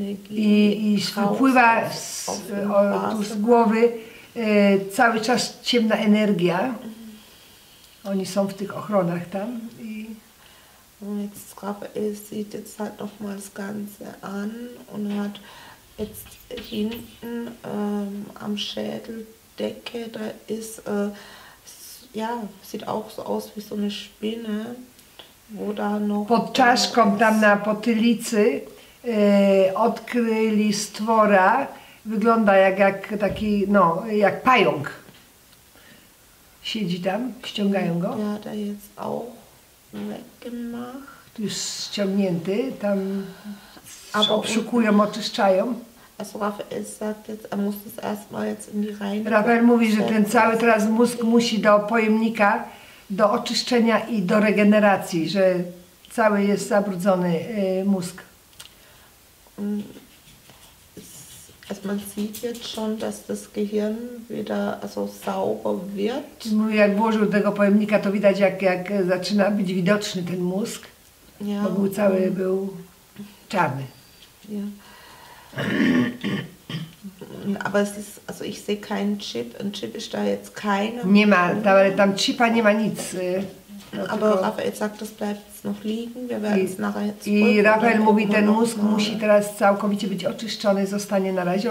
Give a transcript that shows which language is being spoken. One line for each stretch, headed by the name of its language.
Polish: I wypływa z głowy cały czas ciemna energia. Oni są w tych ochronach tam.
German: Und jetzt Raphael sieht jetzt halt nochmal das Ganze an und hat jetzt hinten am Schädeldecke, da ist, ja, sieht auch so aus wie so eine Spinne, wo da noch...
Polish: Pod czaszką, tam na potylicy, odkryli stwora, wygląda jak taki, no, jak pająk. Siedzi tam, ściągają go.
German: Ja, da jetzt auch. Weggemacht.
Polish: Już ściągnięty, tam obszukują, oczyszczają.
German: Also Raphael sagt jetzt, er muss das erstmal jetzt in die Reine.
Polish: Raphael mówi, że ten cały teraz mózg musi do pojemnika, do oczyszczenia i do regeneracji, że cały jest zabrudzony mózg.
German: Also man sieht jetzt schon, dass das Gehirn wieder also sauber wird.
Polish: Mówi, jak włożył tego pojemnika, to widać, jak zaczyna być widoczny ten mózg. Ja. Bo był cały był czarny.
German: Ja. Aber es ist, also ich sehe keinen Chip. Ein Chip ist da jetzt keine.
Polish: Nie ma, tam Chipa nie ma nic.
German: Aber Raphael sagt, das bleibt noch liegen. Wir werden es nachher jetzt.
Polish: I Raphael mówi, ten mózg musi teraz całkowicie być oczyszczony, zostanie na razie.